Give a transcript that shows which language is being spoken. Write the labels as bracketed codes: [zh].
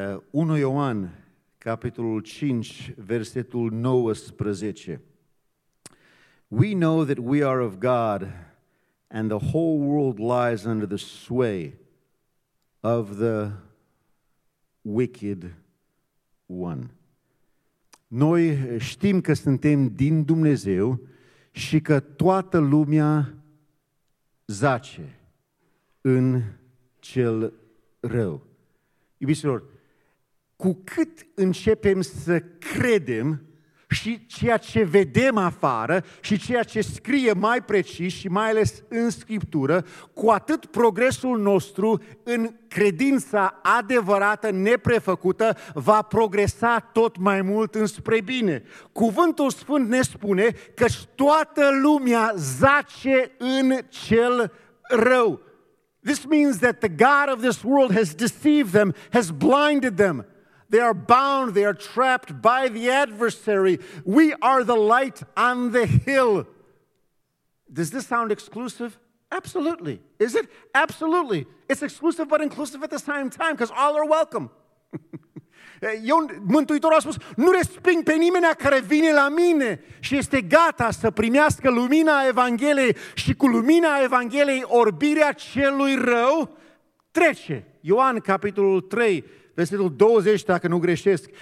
[ro] 1 Ioan, capitolul 5, versetul 19. [en] "We know that we are of God, and the whole world lies under the sway of the wicked one." [ro] Noi știm că suntem din Dumnezeu și că toată lumea zace în cel rău. Iubiților, cu cât începem să credem și ceea ce vedem afară și ceea ce scrie mai precis și mai ales în Scriptură, cu atât progresul nostru în credința adevărată, neprefăcută, va progresa tot mai mult înspre bine. Cuvântul Sfânt ne spune că toată lumea zace în cel rău. [en] This means that the God of this world has deceived them, has blinded them. They are bound, they are trapped by the adversary. We are the light on the hill. Does this sound exclusive? Absolutely. Is it? Absolutely. It's exclusive but inclusive at the same time because all are welcome. [ro] Eu, Mântuitorul a spus, nu resping pe nimeni care vine la mine și este gata să primească lumina Evangheliei și cu lumina Evangheliei orbirea celui rău trece. Ioan, capitolul 3, versetul 20, dacă nu greșesc.